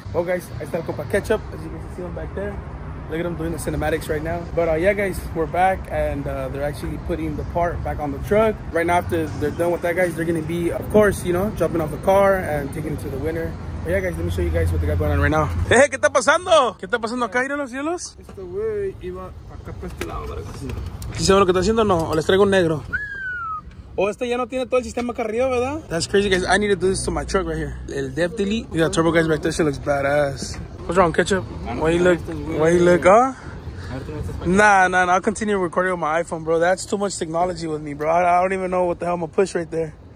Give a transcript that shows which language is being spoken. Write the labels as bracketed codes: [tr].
[en] Oh, guys, [es] ahí está el copa ketchup, [en] as you can see them back there. Look at them doing the cinematics right now. But yeah, guys, we're back and they're actually putting the part back on the truck. Right now, after they're done with that, guys, they're gonna be, of course, you know, dropping off the car and taking it to the winner. But yeah, guys, let me show you guys what they got going on right now. [es] Hey, ¿qué está pasando? ¿Qué está pasando acá, ir a los cielos? Este güey iba acá para este lado, ¿verdad? ¿Sí saben lo que está haciendo o no? ¿O les traigo un negro? O este ya no tiene todo el sistema acá arriba, ¿verdad? [en] That's crazy, guys. I need to do this to my truck right here. El Dev Delete. You got turbo, guys, back there. She looks badass. What's wrong, ketchup? Why you look, huh? Nah, I'll continue recording with my iPhone, bro. That's too much technology with me, bro. I don't even know what the hell I'm gonna push right there.